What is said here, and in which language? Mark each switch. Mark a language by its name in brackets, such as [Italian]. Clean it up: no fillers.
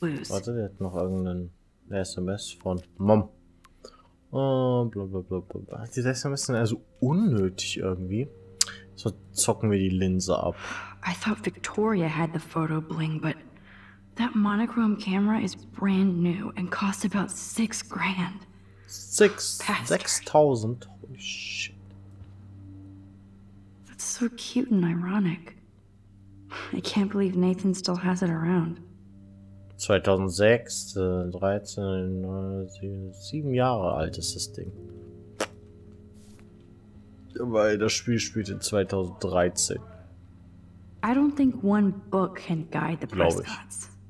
[German] Warte, der hat noch irgendeinen SMS von Mom. Oh, blablabla. Diese SMS sind also unnötig irgendwie. So zocken wir die Linse ab. [English] I thought Victoria had the photo bling, but that monochrome camera is brand new and cost about 6 grand. 6,000? Holy shit. That's so cute and ironic. I can't believe Nathan still has it around. [German] 2006, 13, 9, 7, 7 Jahre alt ist das Ding. Weil das Spiel spielt in 2013. [English] I don't think one book can guide the Prescotts.